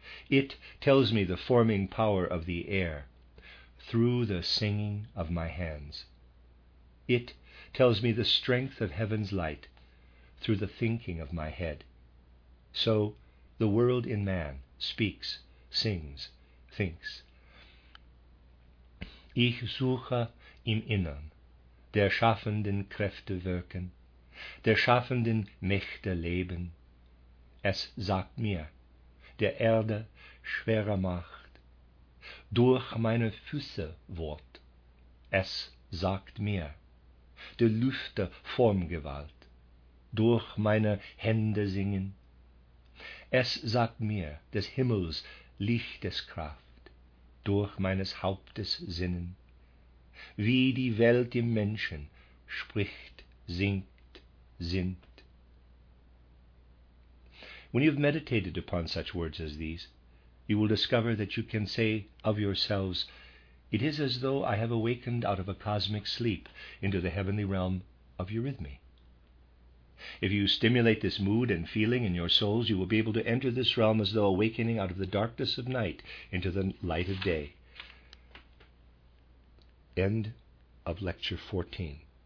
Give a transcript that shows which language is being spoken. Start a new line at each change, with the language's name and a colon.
English: It tells me the forming power of the air through the singing of my hands. It tells me the strength of heaven's light through the thinking of my head. So the world in man speaks, sings, thinks.
German: Ich suche im Innern der schaffenden Kräfte wirken, der schaffenden Mächte leben. Es sagt mir, der Erde schwere Macht, durch meine Füße Wort. Es sagt mir, der Lüfte Formgewalt, durch meine Hände singen. Es sagt mir, des Himmels Lichteskraft, durch meines Hauptes Sinnen. Wie die Welt im Menschen spricht, singt, sinnt.
English: When you have meditated upon such words as these, you will discover that you can say of yourselves, it is as though I have awakened out of a cosmic sleep into the heavenly realm of eurythmy. If you stimulate this mood and feeling in your souls, you will be able to enter this realm as though awakening out of the darkness of night into the light of day. End of Lecture 14.